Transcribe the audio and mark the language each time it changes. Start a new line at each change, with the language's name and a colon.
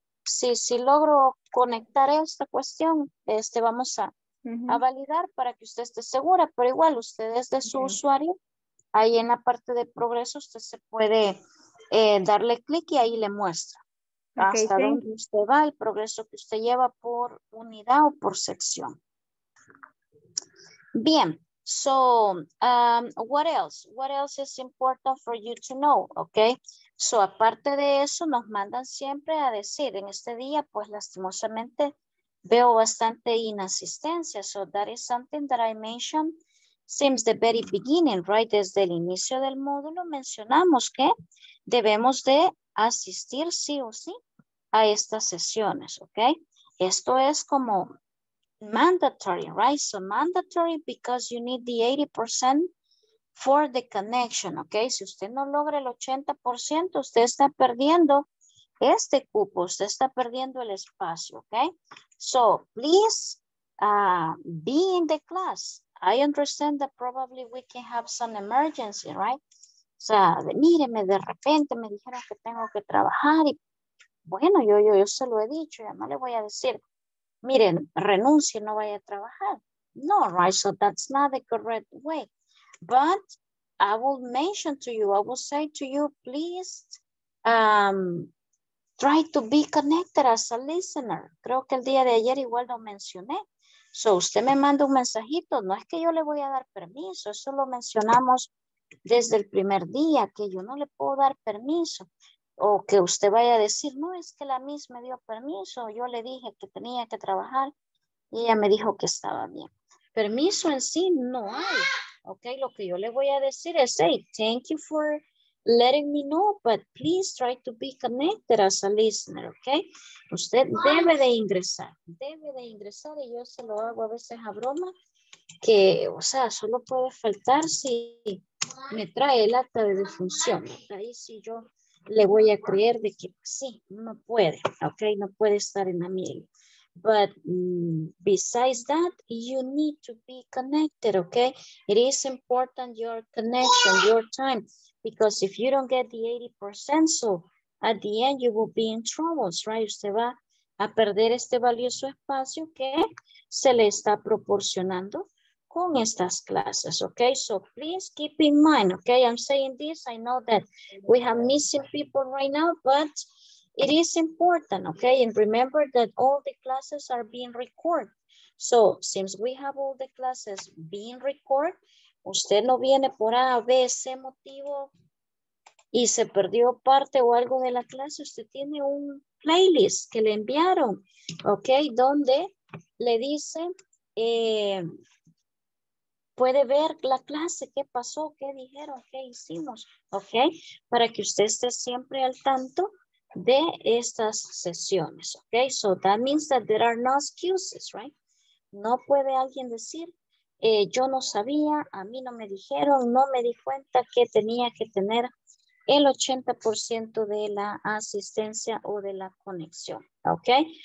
Spanish: Si logro conectar esta cuestión, este, vamos a, a validar para que usted esté segura, pero igual ustedes de su usuario, ahí en la parte de progreso, usted se puede darle clic y ahí le muestra. Hasta dónde usted va, el progreso que usted lleva por unidad o por sección.
English: Bien, so, what else? What else is important for you to know, okay?
Spanish: So, aparte de eso, nos mandan siempre a decir, en este día, pues lastimosamente, veo bastante inasistencia.
English: So, that is something that I mentioned since the very beginning, right?
Spanish: Desde el inicio del módulo mencionamos que debemos de asistir sí o sí a estas sesiones, ¿ok? Esto es como mandatory, right?
English: So mandatory because you need the 80% for the connection, ¿ok?
Spanish: Si usted no logra el 80%, usted está perdiendo este cupo, usted está perdiendo el espacio, ¿ok?
English: So please be in the class. I understand that probably we can have some emergency, right?
Spanish: O sea, míreme, de repente me dijeron que tengo que trabajar y bueno, yo se lo he dicho, ya no le voy a decir, miren, renuncie, no vaya a trabajar.
English: No, right, so that's not the correct way. But I will mention to you, I will say to you, please try to be connected as a listener.
Spanish: Creo que el día de ayer igual lo mencioné. So usted me manda un mensajito, no es que yo le voy a dar permiso, eso lo mencionamos desde el primer día, que yo no le puedo dar permiso, o que usted vaya a decir, no, es que la Miss me dio permiso, yo le dije que tenía que trabajar, y ella me dijo que estaba bien. Permiso en sí no hay, ok, lo que yo le voy a decir es,
English: hey, thank you for letting me know, but please try to be connected as a listener,
Spanish: ok, usted debe de ingresar, y yo se lo hago a veces a broma, que, o sea, solo puede faltar si me trae el acta de defunción. Ahí sí yo le voy a creer de que sí, no puede, ok, no puede estar en la miel.
English: But besides that, you need to be connected, ok. It is important your connection, your time, because if you don't get the 80%, so at the end you will be in troubles, right?
Spanish: Usted va a perder este valioso espacio que se le está proporcionando con estas clases, okay?
English: So please keep in mind, okay? I'm saying this, I know that we have missing people right now, but it is important, okay? And remember that all the classes are being recorded. So since we have all the classes being recorded,
Spanish: usted no viene por A, B, C motivo y se perdió parte o algo de la clase, usted tiene un playlist que le enviaron, okay? Donde le dice, puede ver la clase, qué pasó, qué dijeron, qué hicimos, ¿ok? Para que usted esté siempre al tanto de estas sesiones, ¿ok?
English: So that means that there are no excuses, right?
Spanish: No puede alguien decir, yo no sabía, a mí no me dijeron, no me di cuenta que tenía que tener el 80% de la asistencia o de la conexión, ¿ok?